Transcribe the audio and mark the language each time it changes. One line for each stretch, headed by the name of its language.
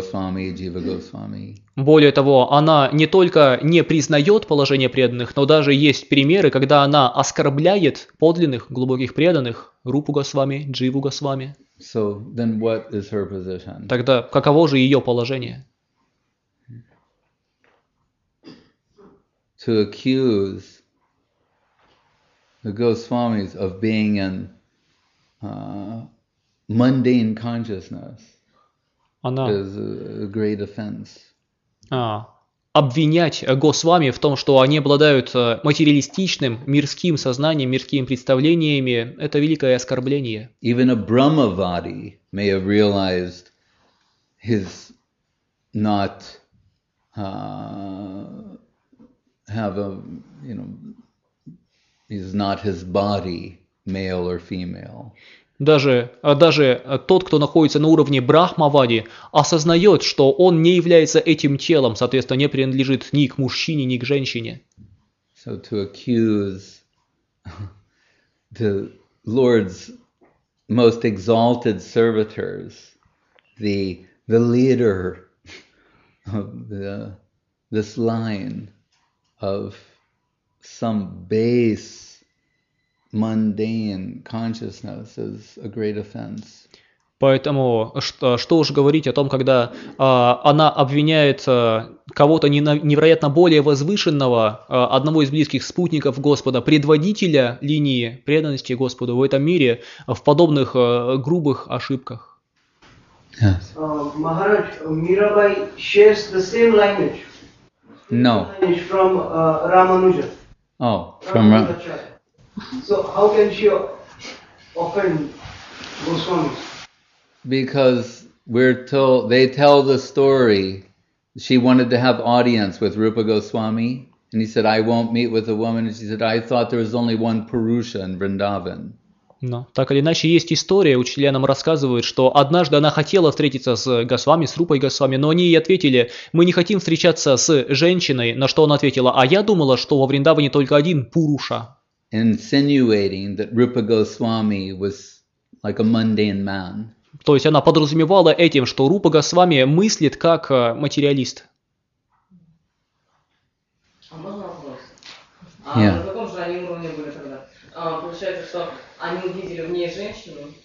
Russian: Более того, она не только не признает положение преданных, но даже есть примеры, когда она оскорбляет подлинных глубоких преданных Рупу Госвами, Дживу Госвами.
English: So then what is her position?
Russian: Тогда каково же ее положение?
English: To accuse the Goswamis of being in mundane consciousness is a great offense.
Russian: обвинять Госвами в том, что они обладают материалистичным, мирским сознанием, мирскими представлениями, это великое оскорбление.
English: Even a Brahmavadi may have realized his not have a, you know, is not his body, male or female.
Russian: Даже тот, кто находится на уровне Брахмавади, осознает, что он не является этим телом, соответственно, не принадлежит ни к мужчине, ни к женщине.
English: So to accuse the Lord's most exalted servitors, the leader of this line of some base mundane consciousness is a great offense.
Russian: Поэтому что уж говорить о том, когда она обвиняет кого-то невероятно более возвышенного, одного из близких спутников Господа, предводителя линии преданности Господу в этом мире, в подобных грубых ошибках.
English: Maharaj, Mirabai shares the same language. No. From Ramanuja. Oh, from Ramanuja. So how can she offend Goswamis? Because we're told, they tell the story, she wanted to have audience with Rupa Goswami, and he said, I won't meet with a woman, and she said, I thought there was only one Purusha in Vrindavan.
Russian: Но, так или иначе, есть история, учителя нам рассказывают, что однажды она хотела встретиться с Госвами, с Рупой Госвами, но они ей ответили, мы не хотим встречаться с женщиной, на что она ответила, а я думала, что во Вриндаване только один Пуруша.
English: Insinuating that Rupa Goswami was like a mundane man.
Russian: То есть она подразумевала этим, что Рупа Госвами мыслит как материалист. А можно вопрос?
English: Yeah.
Russian: А на каком же они уровне были тогда? Получается, что они увидели в ней женщину?